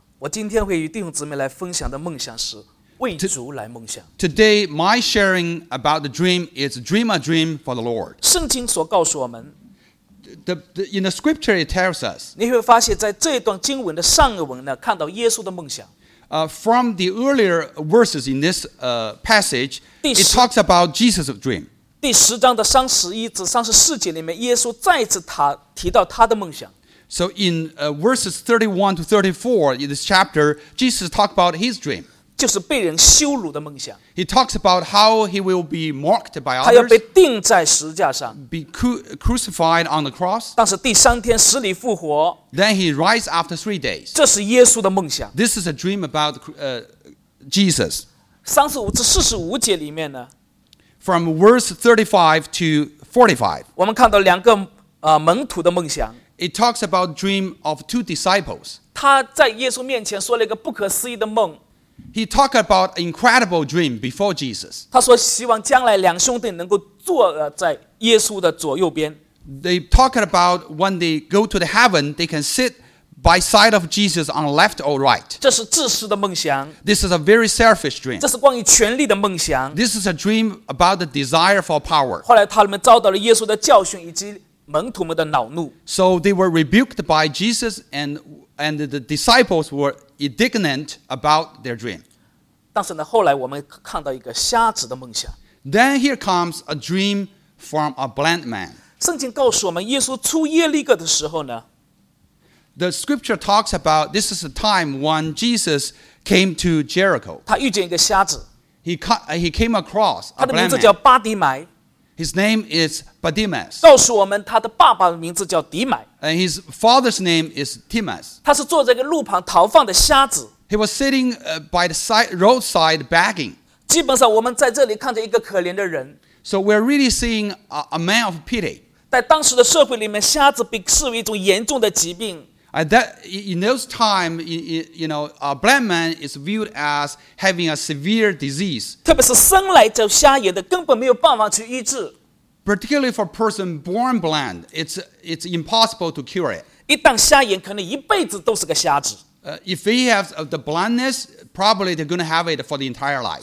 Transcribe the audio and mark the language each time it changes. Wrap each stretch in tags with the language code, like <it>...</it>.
<zh>我今天会与弟兄姊妹来分享的梦想是为主来梦想。</zh> <en>Today, my sharing about the dream is dream a dream for the Lord.</en> <zh>圣经所告诉我们。</zh> <en>In the scripture, it tells us.</en> <zh>你会发现在这段经文的上一文呢，看到耶稣的梦想。</zh> <en>From the earlier verses in this passage, it talks about Jesus' dream.</en> <zh>第十章的三十一至三十四节里面，耶稣再次提到他的梦想。</zh> <en>So in verses 31 to 34 in this chapter, Jesus talked about his dream.</en> <zh>就是被人羞辱的梦想。</zh> <en>He talks about how he will be mocked by others.</en> <zh>他要被钉在十字架上。</zh> <en>Be crucified on the cross.</en> <zh>但是第三天死里复活。</zh> <en>Then he rises after 3 days.</en> <zh>这是耶稣的梦想。</zh> <en>This is a dream about Jesus.</en> <zh>35至45节里面呢。</zh> <en>From verse 35 to 45.</en> <zh>我们看到两个门徒的梦想。</zh> <en>It talks about dream of two disciples.</en> <zh>他在耶稣面前说了一个不可思议的梦。</zh> <en>He talked about an incredible dream before Jesus.</en> <zh>他说希望将来两兄弟能够坐在耶稣的左右边。</zh> <en>They talked about when they go to the heaven, they can sit by side of Jesus on left or right.</en> <zh>这是自私的梦想。</zh> <en>This is a very selfish dream.</en> <zh>这是关于权力的梦想。</zh> <en>This is a dream about the desire for power.</en> <zh>后来他们遭到了耶稣的教训以及门徒们的恼怒。</zh> <en>So they were rebuked by Jesus and the disciples were indignant about their dream.</en> <zh>但是呢，后来我们看到一个瞎子的梦想。</zh> <en>Then here comes a dream from a blind man.</en> <zh>圣经告诉我们，耶稣出耶利哥的时候呢。</zh> <en>The scripture talks about this is a time when Jesus came to Jericho.</en> <zh>他遇见一个瞎子。</zh> <en>He came across a blind man.</en> <zh>他的名字叫巴迪买。</zh> <en>His name is Bartimaeus.</en> <zh>告诉我们他的爸爸的名字叫迪买。</zh> <en>And his father's name is Timaeus.</en> <zh>他是坐在一个路旁逃放的瞎子。</zh> <en>He was sitting by the roadside begging.</en> <zh>基本上我们在这里看见一个可怜的人。</zh> <en>So we're really seeing a man of pity.</en> <zh>在当时的社会里面，瞎子被视为一种严重的疾病。</zh> <en>In those times, you know, a blind man is viewed as having a severe disease.</en> <zh>特别是生来就瞎眼的，根本没有办法去医治。</zh> <en>Particularly for a person born blind, it's impossible to cure it.</en> <zh>一旦瞎眼，可能一辈子都是个瞎子。</zh> <en>If he has the blindness, probably they're going to have it for the entire life.</en>